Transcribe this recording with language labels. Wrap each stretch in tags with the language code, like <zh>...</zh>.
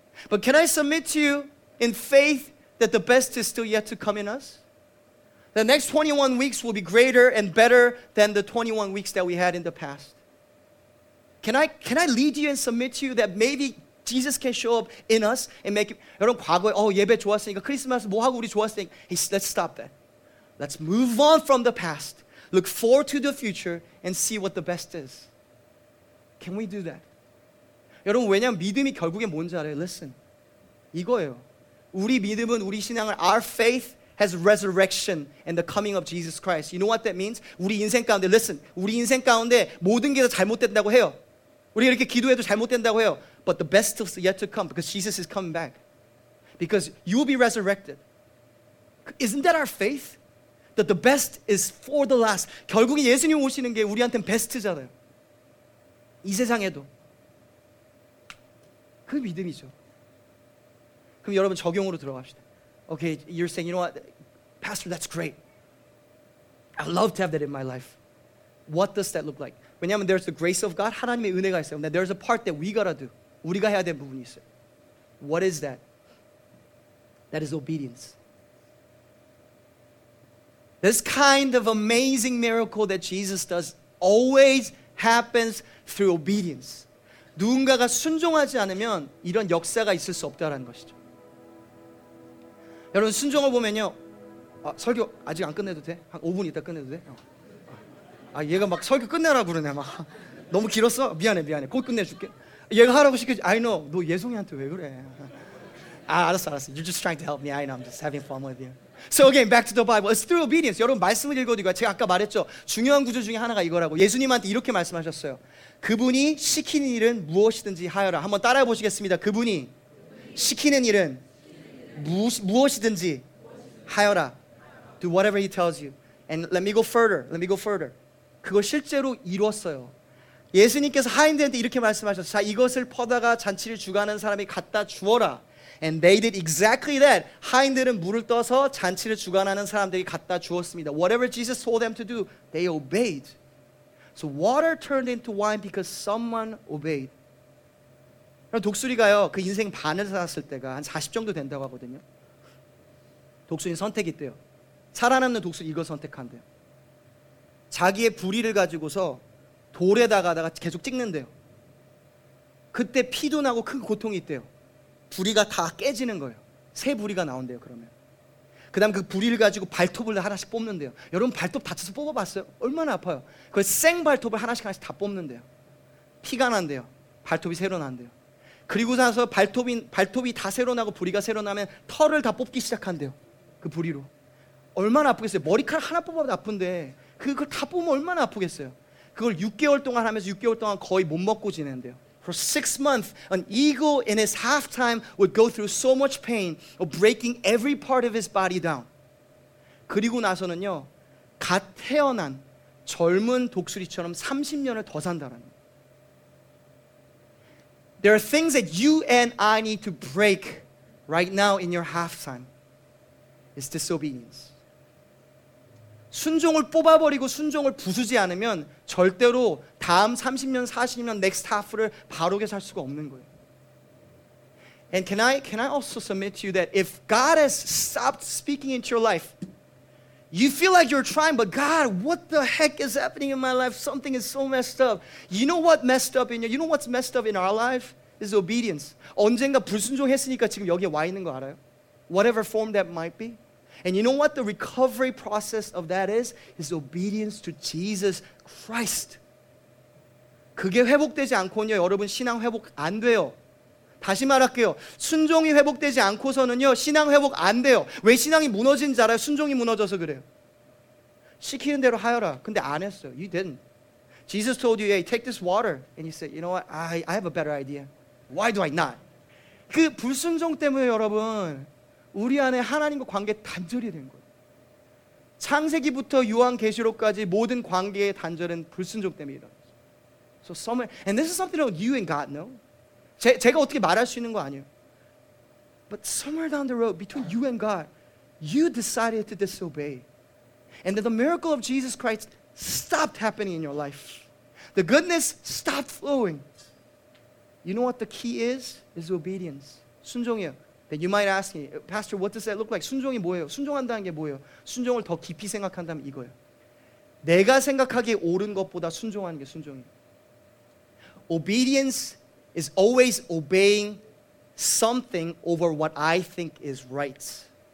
<en>But can I submit to you in faith that the best is still yet to come in us? The next 21 weeks will be greater and better than the 21 weeks that we had in the past. Can I lead you and submit to you that maybe Jesus can show up in us and make it,</en> <ko>여러분 과거에 예배 좋았으니까 크리스마스 뭐하고 우리 좋았으니까, hey,</ko> <en>let's stop that. Let's move on from the past. Look forward to the future and see what the best is. Can we do that?</en> <ko>여러분 왜냐면 믿음이 결국에 뭔지 알아요? Listen, 이거예요. 우리 믿음은 우리 신앙을,</ko> <en>our faith has resurrection and the coming of Jesus Christ. You know what that means?</en> <ko>우리 인생 가운데, listen, 우리 인생 가운데 모든 게 다 잘못된다고 해요. 우리 이렇게 기도해도 잘못된다고 해요.</ko> <en>But the best is yet to come because Jesus is coming back. Because you will be resurrected. Isn't that our faith? That the best is for the last.</en> <ko>결국에 예수님 오시는 게 우리한테는 베스트잖아요. 이 세상에도. 그 믿음이죠. 그럼 여러분 적용으로 들어갑시다.</ko> <en>Okay, you're saying, you know what, Pastor, that's great. I'd love to have that in my life. What does that look like? 왜냐하면 there's the grace of God,</en> <ko>하나님의 은혜가 있어요.</ko> <en>Now, there's a part that we gotta do.</en> <ko>우리가 해야 될 부분이 있어요.</ko> <en>What is that? That is obedience. This kind of amazing miracle that Jesus does always happens through obedience.</en> <ko>누군가가 순종하지 않으면 이런 역사가 있을 수 없다라는 것이죠. 여러분 순종을 보면요. 아, 설교 아직 안 끝내도 돼? 한 5분 있다 끝내도 돼? 아, 얘가 막 설교 끝내라 그러네. 막 너무 길었어? 미안해. 곧 끝내줄게. 얘가 하라고 시켜지.</ko> <en>I know.</en> <ko>너 예송이한테 왜 그래? 아, 알았어.</ko> <en>You're just trying to help me. I know. I'm just having fun with you. So again, back to the Bible. It's through obedience.</en> <ko>여러분 말씀을 읽어드리고 제가 아까 말했죠. 중요한 구절 중에 하나가 이거라고. 예수님한테 이렇게 말씀하셨어요. 그분이 시키는 일은 무엇이든지 하여라. 한번 따라해 보시겠습니다. 그분이 시키는 일은 무엇이든지 하여라.</ko> <en>Do whatever he tells you. And let me go further.</en> <ko>그걸 실제로 이루었어요. 예수님께서 하인들한테 이렇게 말씀하셨어요. 자, 이것을 퍼다가 잔치를 주관하는 사람이 갖다 주어라.</ko> <en>And they did exactly that.</en> <ko>하인들은 물을 떠서 잔치를 주관하는 사람들이 갖다 주었습니다.</ko> <en>Whatever Jesus told them to do, they obeyed. So water turned into wine because someone obeyed.</en> <ko>독수리가요, 그 인생 반을 살았을 때가 한 40 정도 된다고 하거든요. 독수리는 선택이 있대요. 살아남는 독수리 이걸 선택한대요. 자기의 부리를 가지고서 돌에다가 계속 찍는데요. 그때 피도 나고 큰 고통이 있대요. 부리가 다 깨지는 거예요. 새 부리가 나온대요, 그러면. 그 다음 그 부리를 가지고 발톱을 하나씩 뽑는데요. 여러분 발톱 다쳐서 뽑아봤어요? 얼마나 아파요? 그 생발톱을 하나씩 다 뽑는데요. 피가 난대요. 발톱이 새로 난대요. 그리고 나서 발톱이 다 새로 나고 부리가 새로 나면 털을 다 뽑기 시작한대요. 그 부리로. 얼마나 아프겠어요? 머리카락 하나 뽑아도 아픈데 그걸 다 뽑으면 얼마나 아프겠어요? 그걸 6개월 동안 하면서 6개월 동안 거의 못 먹고 지낸대요.</ko> <en>For 6 months, an eagle in his halftime would go through so much pain of breaking every part of his body down.</en> <ko>그리고 나서는요, 갓 태어난 젊은 독수리처럼 30년을 더 산다라는 거예요.</ko> <en>There are things that you and I need to break right now in your halftime. It's disobedience.</en> <ko>순종을 뽑아버리고 순종을 부수지 않으면 절대로 다음 30년, 40년</ko> <en>next half</en> <ko>를 바로게 살 수가 없는 거예요.</ko> <en>And can I also submit to you that if God has stopped speaking into your life, you feel like you're trying, but God, what the heck is happening in my life? Something is so messed up. You know what messed up in you? You know what's messed up in our life? It's obedience.</en> <ko>언젠가 불순종했으니까 지금 여기에 와 있는 거 알아요?</ko> <en>Whatever form that might be. And you know what the recovery process of that is? Is obedience to Jesus Christ.</en> <ko>그게 회복되지 않고는요, 여러분 신앙 회복 안 돼요. 다시 말할게요. 순종이 회복되지 않고서는요, 신앙 회복 안 돼요. 왜 신앙이 무너진지 알아요? 순종이 무너져서 그래요. 시키는 대로 하여라. 근데 안 했어요.</ko> <en>You didn't. Jesus told you, hey, take this water. And you said, you know what? I have a better idea. Why do I not?</en> <ko>그 불순종 때문에 여러분, 우리 안에 하나님과 관계 단절이 된 거예요. 창세기부터 요한계시록까지 모든 관계의 단절은 불순종 때문에 일어났어요.</ko> <en>So somewhere, and this is something that you and God know.</en> <ko>제가 어떻게 말할 수 있는 거 아니에요.</ko> <en>But somewhere down the road, between you and God, you decided to disobey. And then the miracle of Jesus Christ stopped happening in your life. The goodness stopped flowing. You know what the key is? Is obedience.</en> <ko>순종이에요.</ko> <en>Then you might ask me, Pastor, what does that look like?</en> <ko>순종이 뭐예요? 순종한다는 게 뭐예요? 순종을 더 깊이 생각한다면 이거예요. 내가 생각하기에 옳은 것보다 순종하는 게 순종이에요.</ko> <en>Obedience is always obeying something over what I think is right.</en>